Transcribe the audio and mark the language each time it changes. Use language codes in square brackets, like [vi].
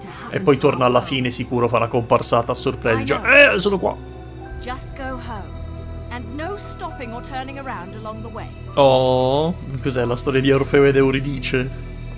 [it] E poi torna alla fine, sicuro farà comparsata a sorpresa. Sono qua. [en] Just go home. And no stopping or turning around along the way. [it] Oh, cos'è la storia di Orfeo ed Euridice?